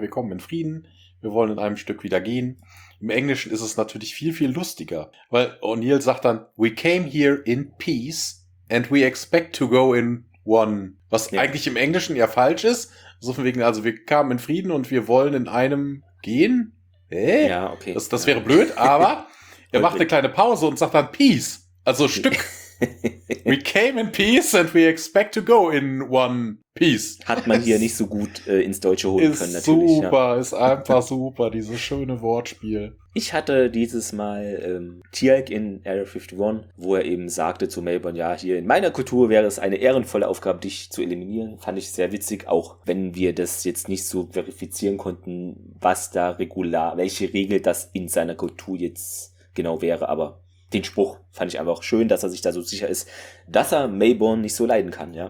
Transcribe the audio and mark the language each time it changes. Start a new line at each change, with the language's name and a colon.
German: Wir kommen in Frieden, wir wollen in einem Stück wieder gehen. Im Englischen ist es natürlich viel, viel lustiger, weil O'Neill sagt dann,
English: we came here in peace and we expect to go in one.
German: Was eigentlich im Englischen ja falsch ist. So von wegen, also wir kamen in Frieden und wir wollen in einem gehen. Ja, okay. Das wäre blöd, aber er macht eine kleine Pause und sagt dann Peace. Also Stück.
English: We came in peace and we expect to go in one piece.
German: Hat man hier nicht so gut ins Deutsche holen ist können, natürlich. Super, ja. Ist einfach super, dieses schöne Wortspiel. Ich hatte dieses Mal Tiag in Area 51, wo er eben sagte zu Melbourne, ja, hier in meiner Kultur wäre es eine ehrenvolle Aufgabe, dich zu eliminieren. Fand ich sehr witzig, auch wenn wir das jetzt nicht so verifizieren konnten, was da regular, welche Regel das in seiner Kultur jetzt genau wäre, aber den Spruch fand ich einfach auch schön, dass er sich da so sicher ist, dass er Melbourne nicht so leiden kann.